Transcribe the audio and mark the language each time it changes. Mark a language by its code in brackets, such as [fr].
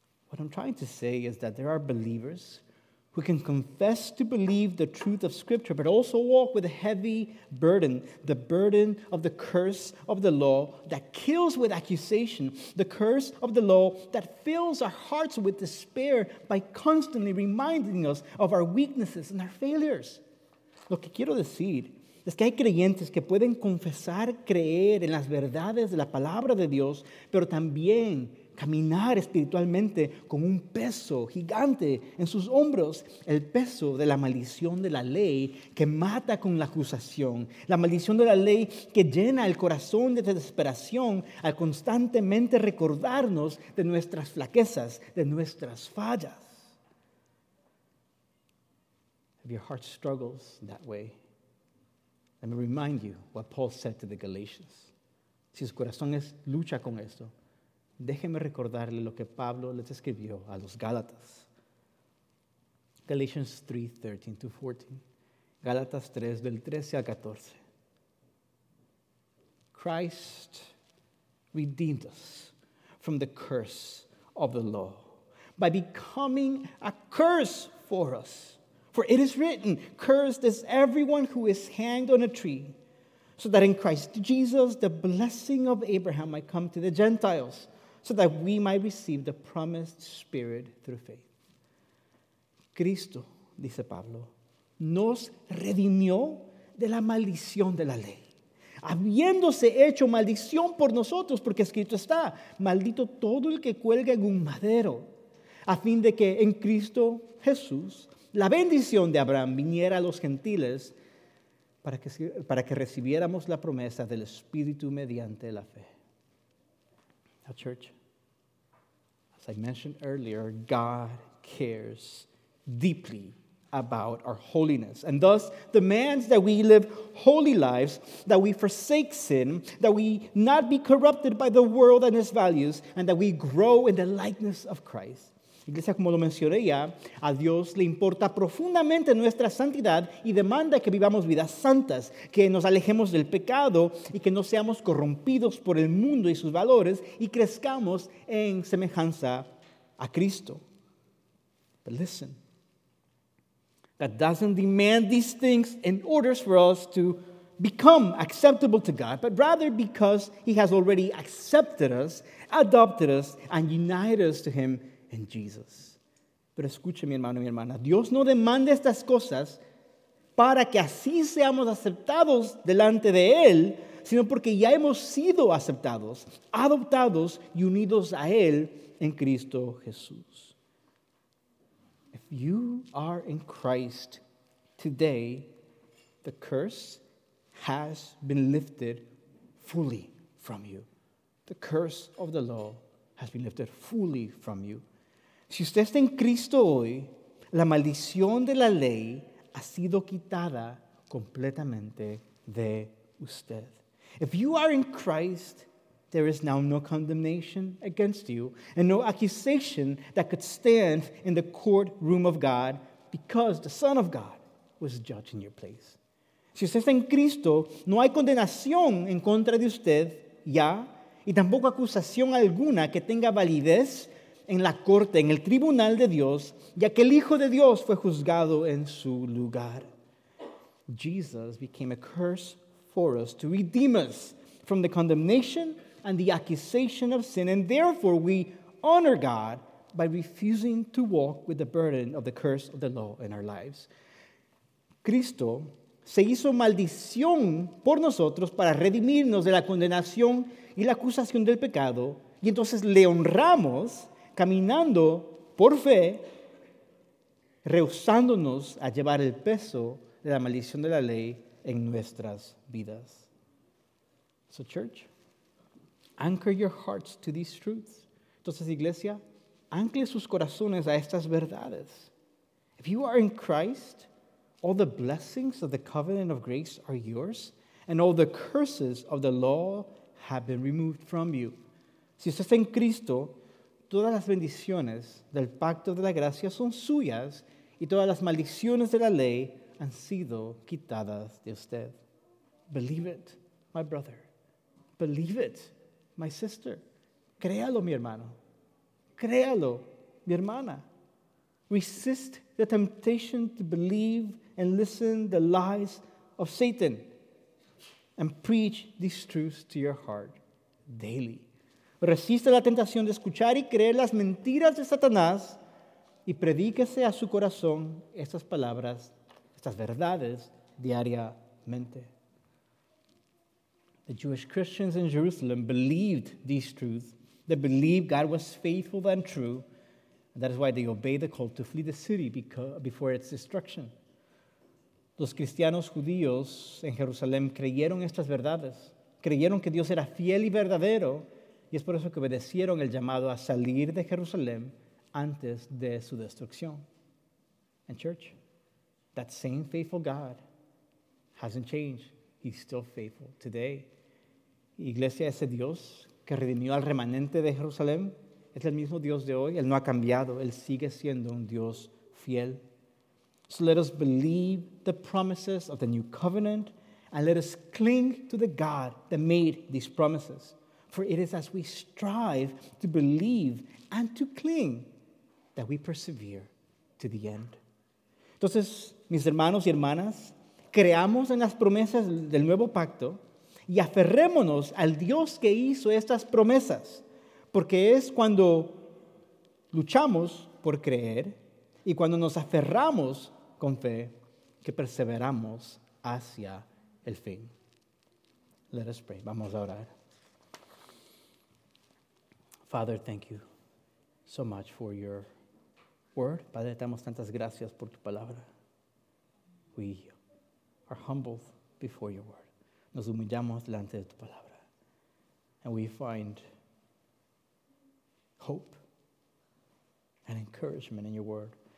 [en] What I'm trying to say is that there are believers who can confess to believe the truth of Scripture, but also walk with a heavy burden, the burden of the curse of the law that kills with accusation, the curse of the law that fills our hearts with despair by constantly reminding us of our weaknesses and our failures. [es] Lo que quiero decir es que hay creyentes que pueden confesar, creer en las verdades de la palabra de Dios, pero también caminar espiritualmente con un peso gigante en sus hombros, el peso de la maldición de la ley que mata con la acusación, la maldición de la ley que llena el corazón de desesperación al constantemente recordarnos de nuestras flaquezas, de nuestras fallas. [en] If your heart struggles that way, let me remind you what Paul said to the Galatians. [es] Si su corazón lucha con esto, déjeme recordarle lo que Pablo les escribió a los Gálatas. [en] Galatians 3, 13 to 14. [es] Gálatas 3, del 13 al 14. [en] Christ redeemed us from the curse of the law by becoming a curse for us. For it is written, cursed is everyone who is hanged on a tree, so that in Christ Jesus the blessing of Abraham might come to the Gentiles, so that we might receive the promised Spirit through faith. [es] Cristo, dice Pablo, nos redimió de la maldición de la ley, habiéndose hecho maldición por nosotros, porque escrito está, maldito todo el que cuelga en un madero, a fin de que en Cristo Jesús la bendición de Abraham viniera a los gentiles para que recibiéramos la promesa del Espíritu mediante la fe. [en] A church, as I mentioned earlier, God cares deeply about our holiness and thus demands that we live holy lives, that we forsake sin, that we not be corrupted by the world and its values, and that we grow in the likeness of Christ. [es] Iglesia, como lo mencioné ya, a Dios le importa profundamente nuestra santidad y demanda que vivamos vidas santas, que nos alejemos del pecado y que no seamos corrompidos por el mundo y sus valores y crezcamos en semejanza a Cristo. [en] But listen, God doesn't demand these things in order for us to become acceptable to God, but rather because He has already accepted us, adopted us, and united us to Him [es] en Jesús. Pero escuche, mi hermano y mi hermana, Dios no demanda estas cosas para que así seamos aceptados delante de Él, sino porque ya hemos sido aceptados, adoptados y unidos a Él en Cristo Jesús. [en] If you are in Christ today, the curse has been lifted fully from you. The curse of the law has been lifted fully from you. [es] Si usted está en Cristo hoy, la maldición de la ley ha sido quitada completamente de usted. [en] If you are in Christ, there is now no condemnation against you and no accusation that could stand in the courtroom of God because the Son of God was judged in your place. [es] Si usted está en Cristo, no hay condenación en contra de usted ya y tampoco acusación alguna que tenga validez en la corte, en el tribunal de Dios, ya que el Hijo de Dios fue juzgado en su lugar. [en] Jesus became a curse for us to redeem us from the condemnation and the accusation of sin, and therefore we honor God by refusing to walk with the burden of the curse of the law in our lives. [es] Cristo se hizo maldición por nosotros para redimirnos de la condenación y la acusación del pecado, y entonces le honramos caminando por fe rehusándonos a llevar el peso de la maldición de la ley en nuestras vidas. [en] So, church, anchor your hearts to these truths. [es] Entonces, iglesia, ancle sus corazones a estas verdades. [en] If you are in Christ, all the blessings of the covenant of grace are yours, and all the curses of the law have been removed from you. [es] Si usted está en Cristo, todas las bendiciones del pacto de la gracia son suyas, y todas las maldiciones de la ley han sido quitadas de usted. [en] Believe it, my brother. Believe it, my sister. [es] Créalo, mi hermano. Créalo, mi hermana. [en] Resist the temptation to believe and listen to the lies of Satan and preach these truths to your heart daily. [es] Resiste la tentación de escuchar y creer las mentiras de Satanás y predíquese a su corazón estas palabras, estas verdades diariamente. [en] The Jewish Christians in Jerusalem believed these truths. They believed God was faithful and true. And that is why they obeyed the call to flee the city before its destruction. [es] Los cristianos judíos en Jerusalén creyeron estas verdades. Creyeron que Dios era fiel y verdadero. Y es por eso que obedecieron el llamado a salir de Jerusalén antes de su destrucción. [en] And church, that same faithful God hasn't changed. He's still faithful today. [es] Iglesia, ese Dios que redimió al remanente de Jerusalén es el mismo Dios de hoy. Él no ha cambiado. Él sigue siendo un Dios fiel. [en] So let us believe the promises of the new covenant and let us cling to the God that made these promises. For it is as we strive to believe and to cling that we persevere to the end. [es] Entonces, mis hermanos y hermanas, creamos en las promesas del nuevo pacto y aferrémonos al Dios que hizo estas promesas, porque es cuando luchamos por creer y cuando nos aferramos con fe que perseveramos hacia el fin. [en] Let us pray. [es] Vamos a orar. [en] Father, thank you so much for your word. [es] Padre, damos tantas gracias por tu palabra. [en] We are humbled before your word. [es] Nos humillamos delante de tu palabra. [en] And we find hope and encouragement in your word.